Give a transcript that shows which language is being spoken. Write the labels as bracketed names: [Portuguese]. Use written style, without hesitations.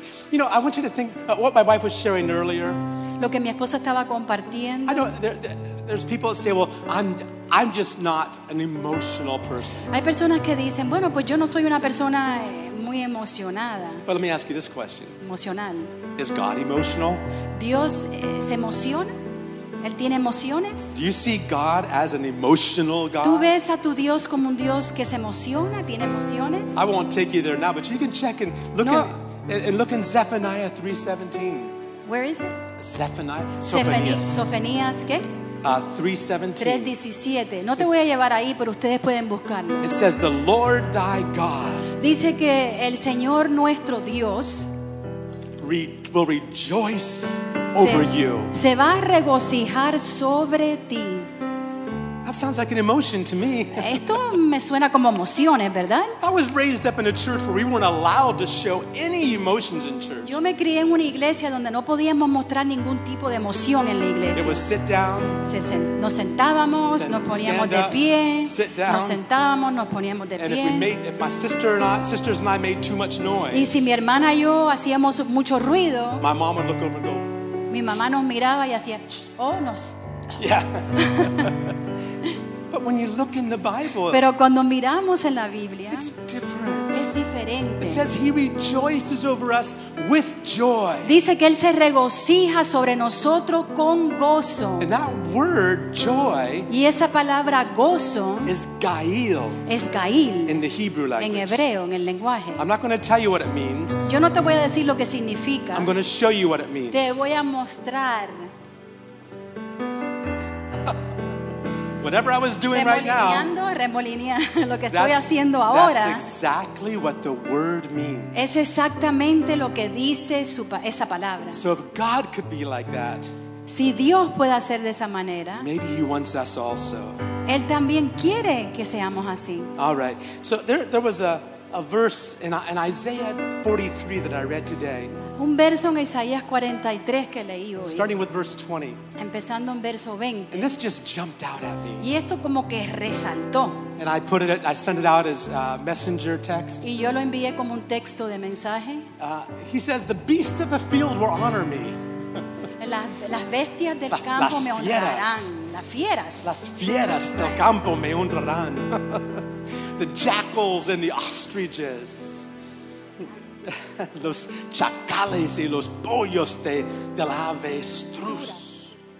[English] You know, I want you to think about what my wife was sharing earlier. [Spanish] Lo que mi esposa estaba compartiendo. [English] I know there's people that say, well, I'm just not an emotional person. [Spanish] Hay personas que dicen, bueno, pues yo no soy una persona muy emocionada. [English] But let me ask you this question. [Spanish] Emocional. [English] Is God emotional? [Spanish] Dios se emociona. Él tiene emociones. [English] Do you see God as an emotional God? [Spanish] ¿Tú ves a tu Dios como un Dios que se emociona, tiene emociones? [English] I won't take you there now, but you can check and look at. And look in Zephaniah 3:17. Where is it? Zephaniah. [Spanish] Sophanias, ¿qué? 3:17. No te voy a llevar ahí, pero ustedes pueden buscar. [English] It says, the Lord thy God. [Spanish] Dice que el Señor nuestro Dios. [English] Will rejoice over you. [Spanish] Se va a regocijar sobre ti. [English] That sounds like an emotion to me. [Spanish] Esto me suena como emociones, ¿verdad? [English] I was raised up in a church where we weren't allowed to show any emotions in church. [Spanish] Yo me crié en una iglesia donde no podíamos mostrar ningún tipo de emoción en la iglesia. [English] It was sit down. [Spanish] Nos sentábamos, nos poníamos de pie. [English] Sit down. [Spanish] Nos sentábamos, nos poníamos de pie. [English] If my sisters and I made too much noise. [Spanish] Y si mi hermana y yo hacíamos mucho ruido. [English] My mom would look over and go. [Spanish] Mi mamá nos miraba y hacía, oh, nos. [English] Yeah. But when you look in the Bible, [Spanish] pero cuando miramos en la Biblia, [English] it's different. [Spanish] Es diferente. [English] It says he rejoices over us with joy. [Spanish] Dice que él se regocija sobre nosotros con gozo. [English] And that word joy, [Spanish] y esa palabra gozo, [English] is gail. [Spanish] Es gail [English] in the Hebrew language. [Spanish] En hebreo, en el lenguaje. [English] I'm not going to tell you what it means. [Spanish] Yo no te voy a decir lo que significa. [English] I'm going to show you what it means. [Spanish] Te voy a mostrar. [English] Whatever I was doing right now, [Spanish] lo que estoy haciendo ahora, [English] that's exactly what the word means. [Spanish] Es exactamente lo que dice esa palabra. [English] So if God could be like that, [Spanish] si Dios puede hacer de esa manera, [English] maybe he wants us also. [Spanish] Él también quiere que seamos así. [English] All right. So there was a a verse in Isaiah 43 that I read today. [Spanish] Un verso en Isaías 43 que leí hoy. [English] Starting with verse 20. [Spanish] Empezando en verso 20. [English] And this just jumped out at me. [Spanish] Y esto como que resaltó. [English] And I put it, I sent it out as a messenger text. [Spanish] Y yo lo envié como un texto de mensaje. [English] He says, "The beasts of the field will honor me." [Spanish] Las bestias del campo me honrarán. Las fieras. Las fieras del campo me honrarán. [English] The jackals and the ostriches. [Spanish] Los chacales y los pollos del avestruz.